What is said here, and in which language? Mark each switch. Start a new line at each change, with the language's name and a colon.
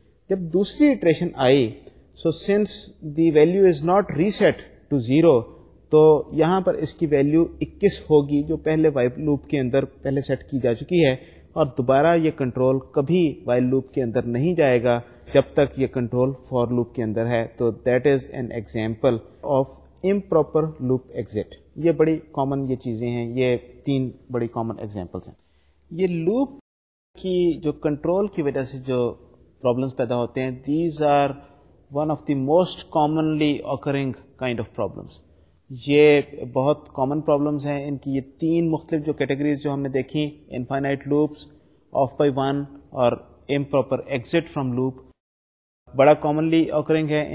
Urdu: جب دوسری attrition I
English: so since the value is not reset to zero
Urdu: تو یہاں پر اس کی ویلیو 21 ہوگی جو پہلے وائل لوپ کے اندر پہلے سیٹ کی جا چکی ہے, اور دوبارہ یہ کنٹرول کبھی وائل لوپ کے اندر نہیں جائے گا جب تک یہ کنٹرول فور لوپ کے اندر ہے.
English: تو that is an example of improper loop exit.
Urdu: یہ بڑی کامن یہ چیزیں ہیں, یہ تین بڑی کامن ایگزامپلس ہیں. یہ لوپ کی جو کنٹرول کی وجہ سے جو پرابلمس پیدا ہوتے ہیں,
English: These are one of the most commonly occurring kind of problems.
Urdu: یہ بہت کامن پرابلمس ہیں. ان کی یہ تین مختلف جو کیٹیگریز جو ہم نے دیکھیں, infinite loops, of by one, اور امپراپر ایگزٹ فرام لوپ, بڑا کامنلی اوکرنگ ہے.